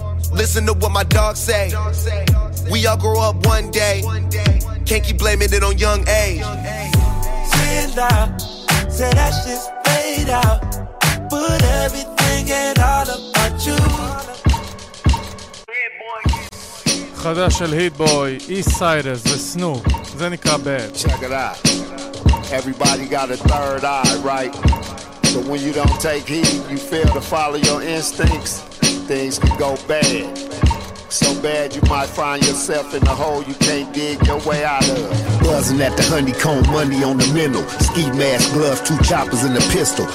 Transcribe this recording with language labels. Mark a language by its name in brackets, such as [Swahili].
[English] Listen to what my dog say. We all grow up one day. Can't keep blaming it on young age. Stand out. Say that shit's played out. Put everything and all about you. [Hebrew] חדש של היט בוי, איסט סיידרס וסנופ, זה נקרא בד. [English] Check it out. Everybody got a third eye, right? So when you don't take heed, you fail to follow your instincts, things can go bad. So bad you might find yourself in a hole you can't dig your way out of. Buzzing at the honeycomb, money on the mental. Ski mask, gloves, two choppers and a pistol.